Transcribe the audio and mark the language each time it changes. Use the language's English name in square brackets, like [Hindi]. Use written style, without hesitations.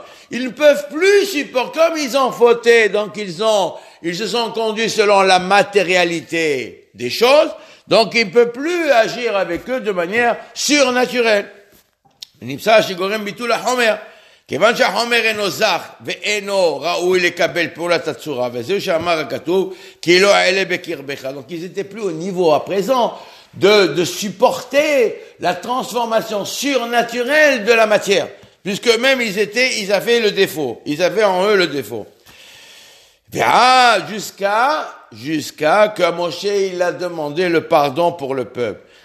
[French] Ils ne peuvent plus supporter, comme ils ont fauté, donc ils se sont conduits selon la matérialité des choses, donc ils ne peuvent plus agir avec eux de manière surnaturelle. [Hebrew] Nipsa shigorem bitul haomer. כיוון שהחומר אינו זך ואינו ראוי לקבל פעולת הצורה, וזהו שאמר הכתוב, כי לא אלה בקרבך. [French] Donc ils étaient plus au niveau à présent de supporter la transformation surnaturelle de la matière, puisque même ils avaient le défaut, ils avaient en eux le défaut. Jusqu'à que Moshe il a demandé le pardon pour le peuple.